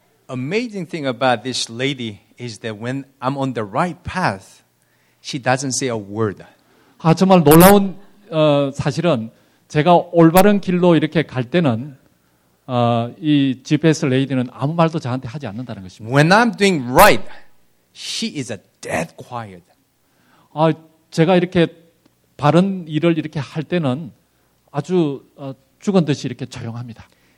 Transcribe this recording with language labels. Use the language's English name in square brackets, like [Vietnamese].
[English] Amazing thing about this lady is that when I'm on the right path, she doesn't say a word. [Korean] 아, 정말 놀라운 사실은 제가 올바른 길로 이렇게 갈 때는 이 GPS 레이디는 아무 말도 저한테 하지 않는다는 것입니다. [English] When I'm doing right, she is a dead quiet. [Korean] 아, 제가 이렇게 바른 일을 이렇게 할 때는 아주 죽은 듯이 이렇게 조용합니다.